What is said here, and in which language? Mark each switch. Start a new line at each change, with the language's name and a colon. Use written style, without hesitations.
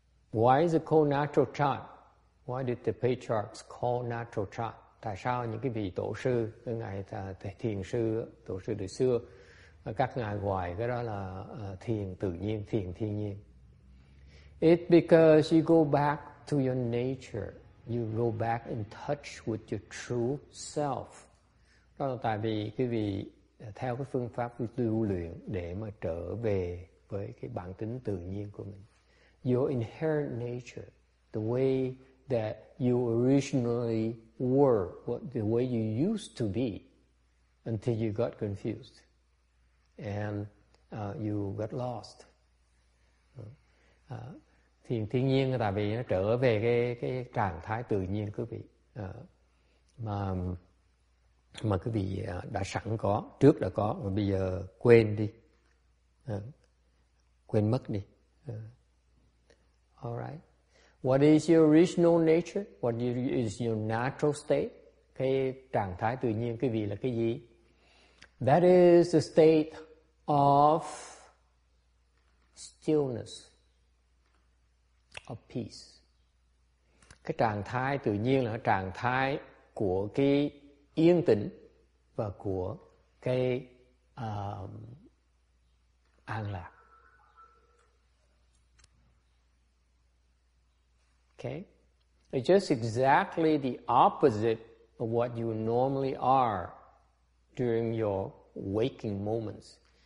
English: Why is it called natural chan? Why did the patriarchs call natural chan?
Vietnamese: Tại sao những cái vị tổ sư, cái ngài thiền sư, tổ sư từ xưa, các ngài gọi cái đó là thiền tự nhiên, thiền thiên nhiên?
English: It's because you go back to your nature. You go back in touch with your true self.
Vietnamese: Đó là tại vì quý vị theo cái phương pháp tu luyện để mà trở về với cái bản tính tự nhiên của mình.
English: Your inherent nature, the way that you originally were, the way you used to be until you got confused and you got lost.
Vietnamese: Thì thiên nhiên là tại vì nó trở về cái trạng thái tự nhiên quý vị mà quý vị đã sẵn có, trước đã có mà bây giờ quên đi, quên mất đi.
English: All right. What is your original nature? What is your natural state?
Vietnamese: Cái trạng thái tự nhiên quý vị là cái gì?
English: That is the state of stillness, of peace.
Vietnamese: Cái trạng thái tự nhiên là trạng thái của cái yên tĩnh và của cái an lạc.
English: Okay, it's just exactly the opposite of what you normally are during your waking moments.